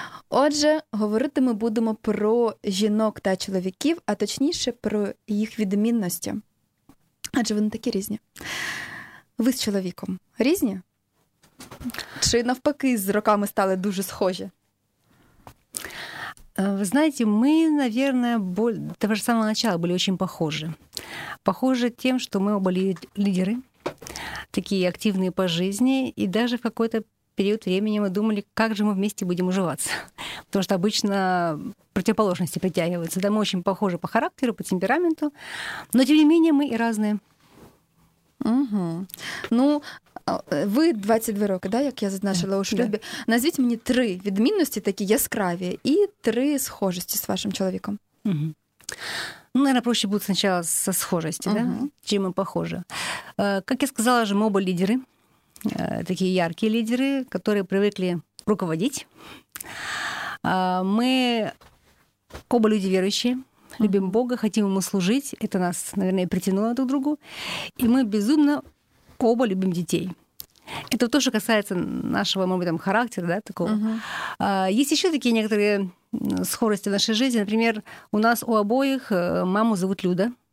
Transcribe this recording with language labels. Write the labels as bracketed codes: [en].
[uk] Отже, говорити ми будемо про жінок та чоловіків, а точніше про їх відмінності. Адже вони такі різні. Ви з чоловіком різні? Чи навпаки, з роками стали дуже схожі? [ru] Ви знаете, мы, наверное, до того же самого начала были очень похожи. Похожи тем, что мы оба лидеры, такие активные по жизни, и даже в какой-то период времени мы думали, как же мы вместе будем уживаться. Потому что обычно противоположности притягиваются. Да, мы очень похожи по характеру, по темпераменту, но, тем не менее, мы и разные. Угу. [uk] Ну, ви 22 роки, да, як я зазначила у шлюбі. Да. Назвіть мені три відмінності такі яскраві і три схожості з вашим чоловіком. Угу. Ну, [ru] наверное, проще [uk] буде спочатку зі схожості, да? Чим ми похожі. Як я сказала, ми оба лідери, такі яркі лідери, які привикли руководити. Ми оба люди віруючі. [ru] Любим Бога, хотим Ему служить. Это нас, наверное, и притянуло друг к другу. И мы безумно оба любим детей. Это то, что касается нашего, может быть, там, характера, да, такого. Uh-huh. Есть еще такие некоторые схожести в нашей жизни. Например, у нас у обоих маму зовут Люда.